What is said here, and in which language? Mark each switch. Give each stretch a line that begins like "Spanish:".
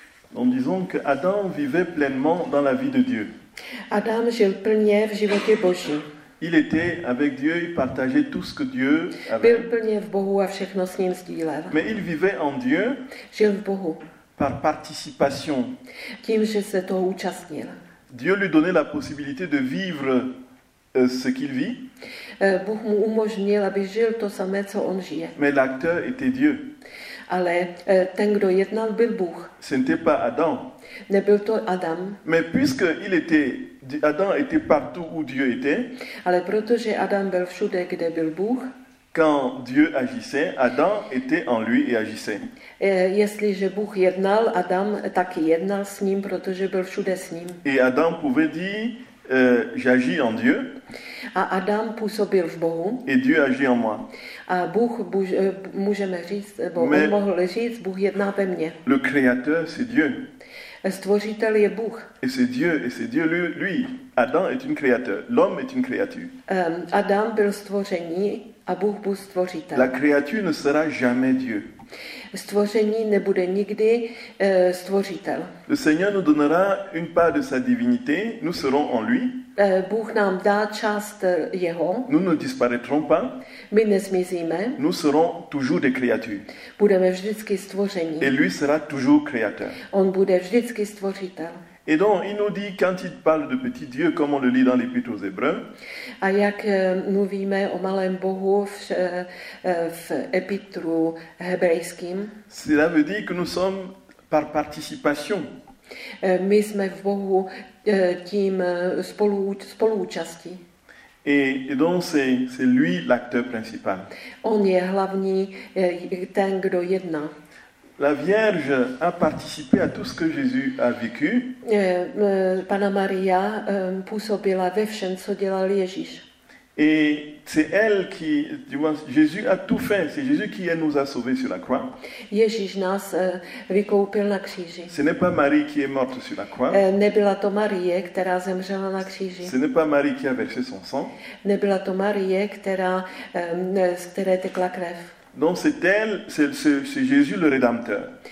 French: Donc disons que Adam vivait pleinement dans la vie de Dieu.
Czech: Adam žil plně v životě Boží.
French: Il était avec Dieu, il partageait tout ce que Dieu avait.
Czech: Byl plně v Bohu a všechno s ním sdílel.
French: Mais il vivait en Dieu.
Czech: Žil v Bohu.
French: Par participation.
Czech: Tím, že se toho účastnil.
French: Dieu lui donnait la possibilité de vivre ce qu'il vit.
Czech: Bůh mu umožnil, aby žil to samé, co on žije.
French: Mais l'acteur était Dieu.
Czech: Ale ten, kdo jednal, byl Bůh.
French: Ce n'était pas Adam.
Czech: Nebyl to Adam.
French: Mais puisque il était Adam était partout où Dieu était.
Czech: Ale protože Adam byl všude, kde byl Bůh.
French: Quand Dieu agissait, Adam était en lui et agissait.
Czech: Jestliže Bůh jednal, Adam taky jednal s ním, protože byl všude s ním.
French: Et Adam pouvait dire j'agis en Dieu.
Czech: A Adam působil v Bohu.
French: Et Dieu agit en moi.
Czech: A Bůh, můžeme říct, on mohl říct, Bůh jedná ve mně.
French: Le créateur, c'est Dieu.
Czech: Stvořitel je Bůh.
French: Et c'est Dieu, lui. Adam est une créateur. L'homme est une créature.
Czech: Adam byl stvoření a Bůh byl stvořitel.
French: La créature ne sera jamais Dieu.
Czech: Stvoření nebude nikdy stvořitel.
French: Le Seigneur nous donnera une part de sa divinité, nous serons en lui.
Czech: Bůh nám dá část jeho.
French: Nous ne disparaîtrons pas.
Czech: My nezmizíme.
French: Nous serons toujours des créatures.
Czech: Budeme vždycky stvoření.
French: Et lui sera toujours créateur.
Czech: On bude vždycky stvořitel.
French: Et donc, il nous dit, quand il parle de petit Dieu, comme on le lit dans l'Épître aux Hébreux,
Czech: a jak mluvíme o malém Bohu v Epitru hebrejským,
French: cela veut dire que nous sommes par participation.
Czech: My jsme v Bohu tím spoluúčastí.
French: Et donc, c'est lui l'acteur principal.
Czech: On je hlavní, ten, kdo jedná.
French: La Vierge a participé à tout ce que Jésus a vécu.
Czech: Panna Maria působila ve všem, co dělal Ježíš.
French: Et c'est elle qui, du moins, Jésus a tout fait. C'est Jésus qui nous a sauvés sur la croix.
Czech: Ježíš nás vykoupil na kříži.
French: Ce n'est pas Marie qui est morte sur la croix.
Czech: Nebyla to Marie, která zemřela na kříži.
French: Ce n'est pas Marie qui a versé son sang.
Czech: Nebyla to Marie, která, z které tekla krev.
French: Donc c'est elle, c'est Jésus le rédempteur.